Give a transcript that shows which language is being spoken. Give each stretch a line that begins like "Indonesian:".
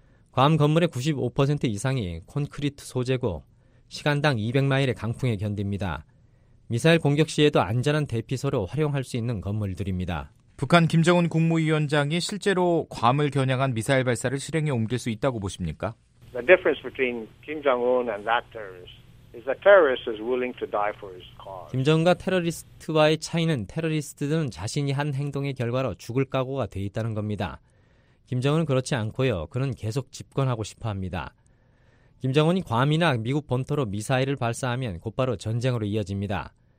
Korean: 괌 건물의 95% 이상이 콘크리트 소재고 시간당 200마일의 강풍에 견딥니다. 미사일 공격 시에도 안전한 대피소로 활용할 수 있는 건물들입니다. 북한 김정은 국무위원장이 실제로 괌을 겨냥한 미사일 발사를 실행에 옮길 수 있다고 보십니까?
English: The difference between Kim Jong-un and that terrorist is that terrorist is willing to die for his cause.
Korean: 김정은과 테러리스트와의 차이는 테러리스트들은 자신이 한 행동의 결과로 죽을 각오가 돼 있다는 겁니다. 김정은은 그렇지 않고요. 그는 계속 집권하고 싶어 합니다. 김정은이 괌이나 미국 본토로 미사일을 발사하면 곧바로 전쟁으로 이어집니다.